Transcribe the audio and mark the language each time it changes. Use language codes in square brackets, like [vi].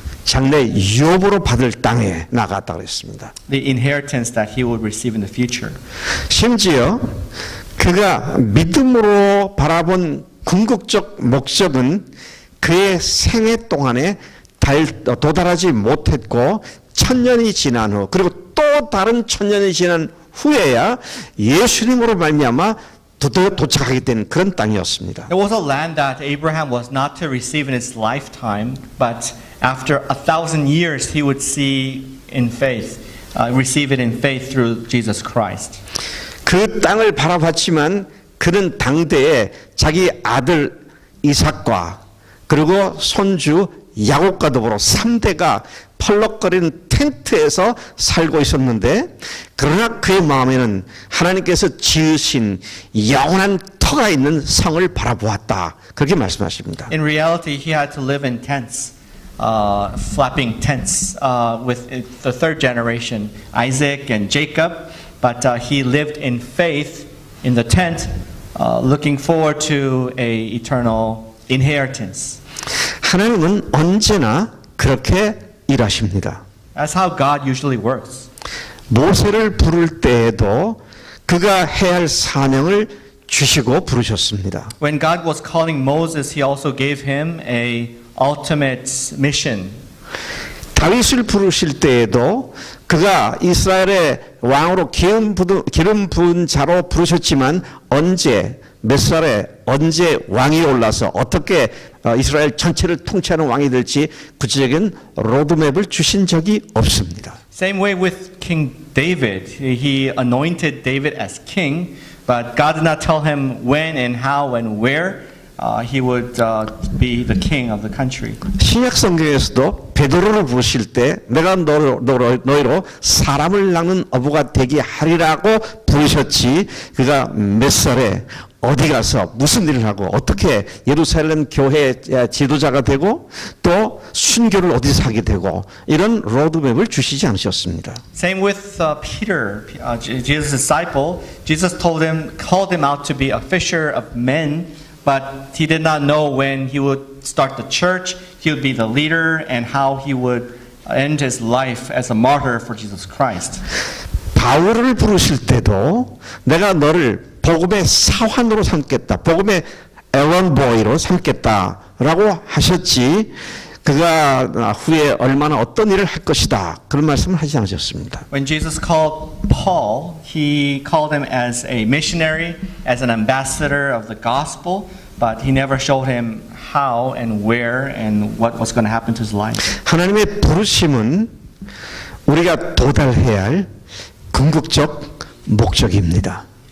[ko] 장래 유업으로 받을 땅에 나갔다 그랬습니다. [en] The inheritance that he would receive in the future. [ko] 심지어 그가 믿음으로 바라본 궁극적 목적은 그의 생애 동안에 도달하지 못했고 천년이 지난 후 그리고 또 다른 천년이 지난 후에야 예수님으로 말미암아 도착하게 된 그런 땅이었습니다. [en] It was a land that Abraham was not to receive in his lifetime, but after 1,000 years, he would see in faith, receive it in faith through Jesus Christ. [ko] 그 땅을 바라봤지만 그는 당대에 자기 아들 이삭과 그리고 손주 야곱과 더불어 3대가 펄럭거리는 텐트에서 살고 있었는데 그러나 그의 마음에는 하나님께서 지으신 영원한 터가 있는 성을 바라보았다. 그렇게 말씀하십니다. [en] In reality, he had to live in tents. Flapping tents with the third generation, Isaac and Jacob, but he lived in faith in the tent, looking forward to an eternal inheritance. [ko] 하나님은 언제나 그렇게 일하십니다. [en] That's how God usually works. [ko] 모세를 부를 때에도 그가 해야 할 사명을 주시고 부르셨습니다. [en] When God was calling Moses, he also gave him a ultimate mission. [ko] 다윗을 부르실 때에도 그가 이스라엘의 왕으로 기름 부은 자로 부르셨지만 언제 몇 살에 언제 왕이 올라서 어떻게 이스라엘 전체를 통치하는 왕이 될지 구체적인 로드맵을 주신 적이 없습니다. [en] Same way with King David. He anointed David as king, but God did not tell him when and how and where. He would be the king of the country. [ko] 신약 성경에서도 베드로를 부르실 때 내가 너희로 사람을 낳는 어부가 되게 하리라고 부르셨지 그가 몇 살에 어디 가서 무슨 일을 하고 어떻게 예루살렘 교회의 지도자가 되고 또 순교를 어디서 하게 되고 이런 로드맵을 주시지 않으셨습니다. [en] Same with Peter, Jesus' disciple. Jesus told him, called him out to be a fisher of men. But he did not know when he would start the church, he would be the leader, and how he would end his life as a martyr for Jesus Christ. [ko] 바울을 부르실 때도 내가 너를 복음의 사환으로 삼겠다, 복음의 에런보이로 삼겠다라고 하셨지 그가 후에 얼마나 어떤 일을 할 것이다 그런 말씀을 하지 않으셨습니다. [en] When Jesus called Paul, he called him as a missionary, as an ambassador of the gospel, but he never showed him how and where and what was going to happen to his life. [ko] 하나님의 부르심은 우리가 도달해야 할 궁극적 목적입니다.